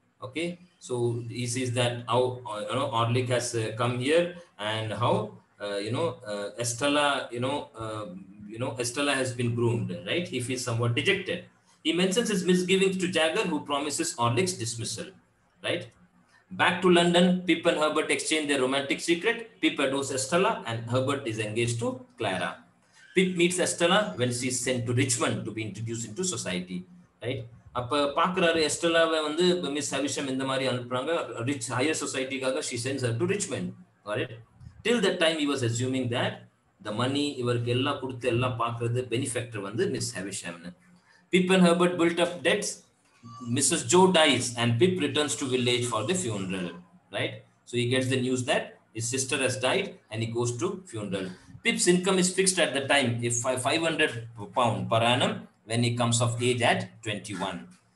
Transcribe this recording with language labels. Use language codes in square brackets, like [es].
[en] Okay, so he sees that how you know Orlick has come here and how Estella has been groomed, right? He feels somewhat dejected. He mentions his misgivings to Jagger, who promises Orlick's dismissal, right? Back to London, Pip and Herbert exchange their romantic secret. Pip adores Estella and Herbert is engaged to Clara. Pip meets Estella when she is sent to Richmond to be introduced into society. Right? [ta] அப்ப பாக்குறாரு எஸ்டெல்லாவை வந்து miss ஹவிஷம் இந்த மாதிரி அனுப்புறாங்க rich higher சொசைட்டிக்காக [en] she sends her to Richmond. All right? Till that time, he was assuming that the money [ta] இவருக்கு எல்லாம் கொடுத்து எல்லாம் பாக்குறது [en] benefactor [ta] வந்து miss ஹவிஷம்னு. [en] Pip and Herbert built up debts. Mrs. Joe dies and Pip returns to village for the funeral, right? So he gets the news that his sister has died and he goes to funeral. Pip's income is fixed at the time, if 500 pound per annum when he comes of age at 21.